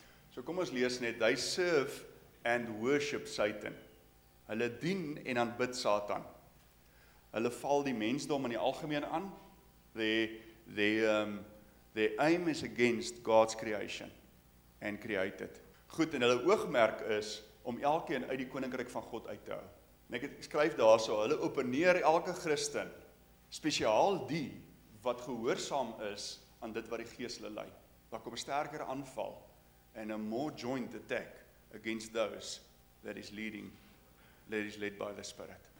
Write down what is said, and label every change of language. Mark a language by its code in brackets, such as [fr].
[af] So kom ons lees net, [en] they serve and worship Satan. [af] Hulle dien en aanbid Satan. Hulle val die mensdom in die algemeen aan. [en] Their aim is against God's creation and created. [af] Goed, en hulle oogmerk is om elkeen uit die koninkryk van God uit te hou. En ek skryf daarso, hulle opponeer elke Christen, spesiaal die wat gehoorsaam is aan dit wat die Gees hulle lei. Daar kom 'n sterker aanval [en] and a more joint attack against those that is led by the Spirit.